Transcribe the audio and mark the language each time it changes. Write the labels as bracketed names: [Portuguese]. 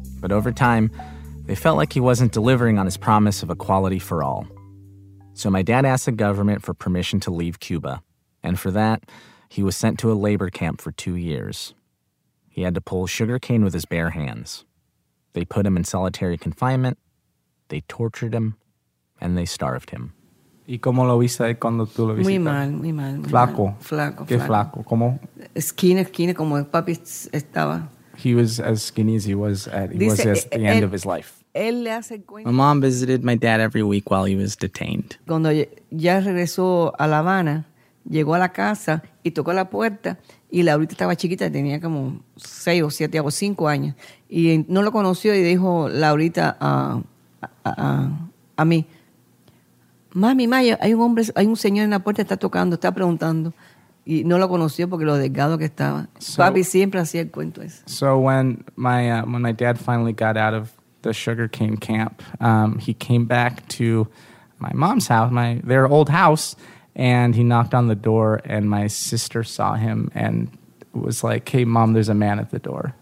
[English] But over time, they felt like he wasn't delivering on his promise of equality for all. So my dad asked the government for permission to leave Cuba. And for that, he was sent to a labor camp for 2 years. He had to pull sugarcane with his bare hands. They put him in solitary confinement. They tortured him. And they starved him. [Spanish] ¿Y cómo lo viste cuando tú lo visitas? Muy mal. Flaco. Flaco. ¿Qué flaco? ¿Cómo? Skinny, como el papi estaba. [English] He was as skinny as he was at the end of his life. [Spanish] Él le hace cuenta. [English] My mom visited my dad every week while he was detained. [Spanish] Cuando ya regresó a La Habana, llegó a la casa y tocó la puerta y la ahorita estaba chiquita, tenía como 6 o 7 o 5 años. Y no lo conoció y dijo la ahorita a mí. Mami, Maya, hay un señor en la puerta, está tocando, está preguntando. Y no lo conoció porque lo delgado que estaba. So, papi siempre hacía el cuento ese. [English] So when my dad finally got out of the sugarcane camp, he came back to my mom's house, their old house, and he knocked on the door and my sister saw him and was like, hey, Mom, there's a man at the door.